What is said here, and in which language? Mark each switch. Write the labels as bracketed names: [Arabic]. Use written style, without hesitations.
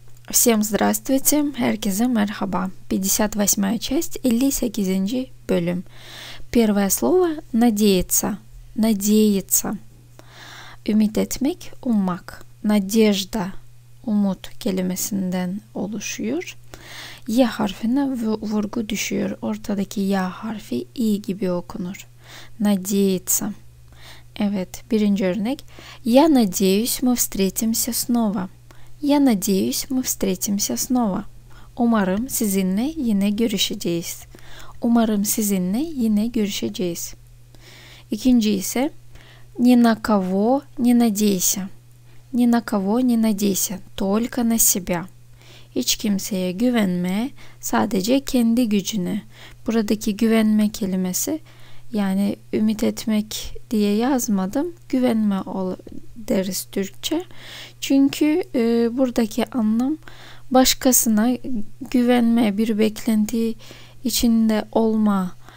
[Russian] Всем здравствуйте, Эркизе Мерхаба, 58-я часть Элиса Кизенджи Бюлем. Первое слово «надеяться», «надеяться». [Turkish] Ümit etmek, ummak. Надежда, умут kelimesinden oluşuyor. Я harfine vurgu düşüyor. Ortadaki я harfi i gibi okunur. Надеяться. Evet, birinci örnek. [Russian] Я надеюсь, мы встретимся снова. Я надеюсь, мы встретимся снова. [Turkish] Umarım sizinle yine görüşeceğiz. Umarım sizinle yine görüşeceğiz. İkinci ise ни на кого не надейся. [Russian] Ни на кого не надейся, только на себя. [Turkish] Hiç kimseye güvenme, sadece kendi gücüne. Buradaki güvenme kelimesi, yani ümit etmek diye yazmadım. Güvenme deriz Türkçe. Çünkü buradaki anlam başkasına güvenme, bir beklenti içinde olma.